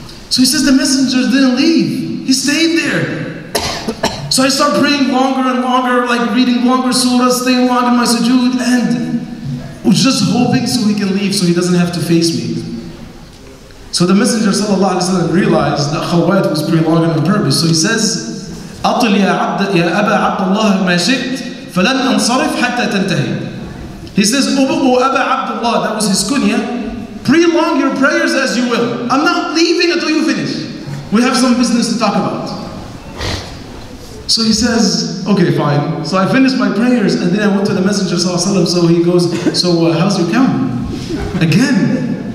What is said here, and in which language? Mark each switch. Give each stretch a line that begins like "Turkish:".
English: So he says, the messenger didn't leave. He stayed there. So I start praying longer and longer, like reading longer surahs, staying long in my sujood, and was just hoping so he can leave, so he doesn't have to face me. So the messenger sallallahu alayhi wa sallam realized that khawat was prolonging on purpose. So he says,
Arabic: أطل يا عبد يا أبا عبد الله ما شئت فلن أنصرف حتى تنتهي.
English: He says, أبو أبا عبد الله, that was his kunya, prolong your prayers as you will. I'm not leaving until you finish. We have some business to talk about. So he says, okay, fine. So I finished my prayers and then I went to the messenger sallallahu alayhi wa sallam. So he goes, so how's your camel? Again.